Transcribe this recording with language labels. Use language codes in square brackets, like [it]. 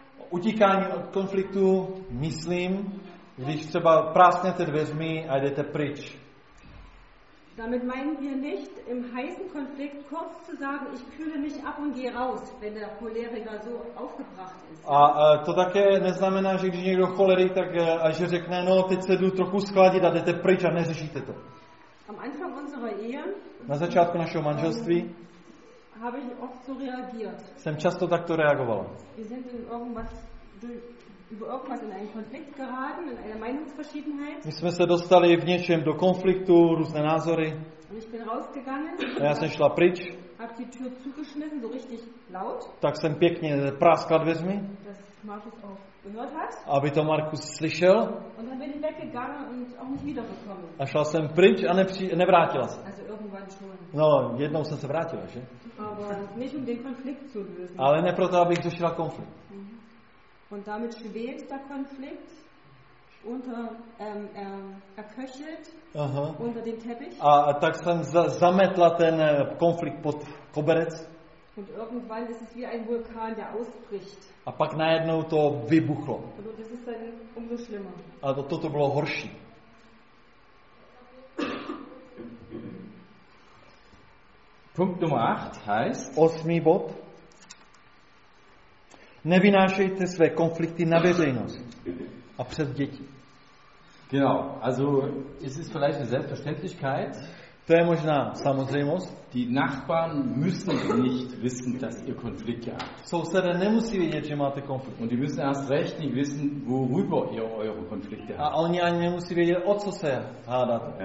[cs] Utíkání od konfliktu, myslím, když třeba prásknete dveřmi a jdete pryč. [de] Damit meinen wir nicht, im heißen Konflikt kurz zu sagen, ich kühle mich ab und gehe raus, wenn der Choleriker so aufgebracht ist. [cs] A to také neznamená, že když někdo cholerik, tak že řekne, no, teď se jdu trochu skladit a jdete pryč a neřešíte to. [de] Am Anfang unserer Ehe, [cs] na začátku našeho manželství, [de] habe ich oft so reagiert. [cs] Jsem často takto reagovala. [de] Wir sind in irgendwas über irgendwas in einen Konflikt geraten, in einer Meinungsverschiedenheit. [cs] My jsme se dostali v něčem do konfliktu, různé názory. [de] Und ich bin rausgegangen. [cs] A já jsem šla pryč. [de] Hab die Tür zugeschmissen, so richtig laut. [cs] Tak jsem pěkně praskla dveřmi. [de] Dass Markus auch gehört hat. [cs] Aby to Markus slyšel. [de] Und dann bin ich weggegangen und auch nicht wiedergekommen. [cs] A šla jsem pryč a nevrátila se. [de] Also irgendwann schon. [cs] No, jednou jsem se vrátila, že? [de] Aber nicht um den Konflikt zu lösen. [cs] Ale ne proto, abych řešila konflikt. [de] Und damit schwebt der Konflikt unter erköchelt unter den Teppich. [cs] A tak jsem zametla ten konflikt pod koberec. [de] Und irgendwann ist es wie ein Vulkan, der ausbricht. [cs] A pak najednou to vybuchlo. [de] Und das ist dann umso schlimmer. [cs] A to bylo horší. [de] Punkt Nummer 8 heißt [cs] Osmý bod. Nevynášejte své konflikty na veřejnost a před děti. [de] Genau, also es ist vielleicht eine Selbstverständlichkeit. [cs] To je možná samozřejmost. [de] Die Nachbarn müssen nicht wissen, dass ihr Konflikt gehabt. [cs] Sousedé nemusí vědět, že máte konflikt. [de] Und die müssen erst recht nicht wissen, worüber ihr eure Konflikte habt. [cs] A oni ani nemusí vědět, o co se hádáte.